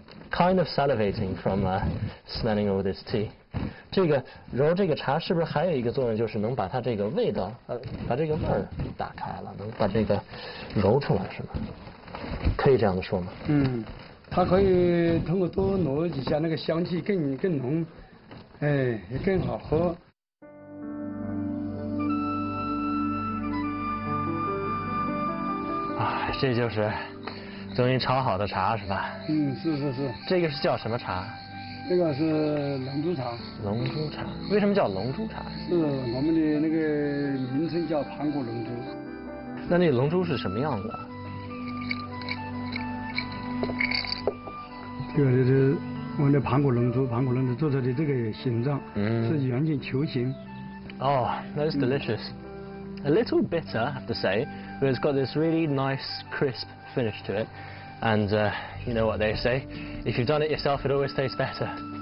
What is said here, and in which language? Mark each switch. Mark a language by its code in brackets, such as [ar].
[en] Kind of salivating from smelling all this tea. [zh] 这个揉这个茶是不是还有一个作用，就是能把它这个味道，把这个味儿打开了，能把这个揉出来，是吗？可以这样子说吗？嗯，它可以通过多揉几下，那个香气更浓，哎，也更好喝。这就是终于炒好的茶是吧？嗯，是是是。这个是叫什么茶？这个是龙珠茶。龙珠茶，为什么叫龙珠茶？是我们的那个名称叫盘古龙珠。那那龙珠是什么样子啊？这个就是我们的盘古龙珠，盘古龙珠做出来的这个形状，是圆形球形。 [en] Oh, that is delicious.、A little bitter, I have to say, but it's got this really nice, crisp finish to it. And、you know what they say, if you've done it yourself, it always tastes better.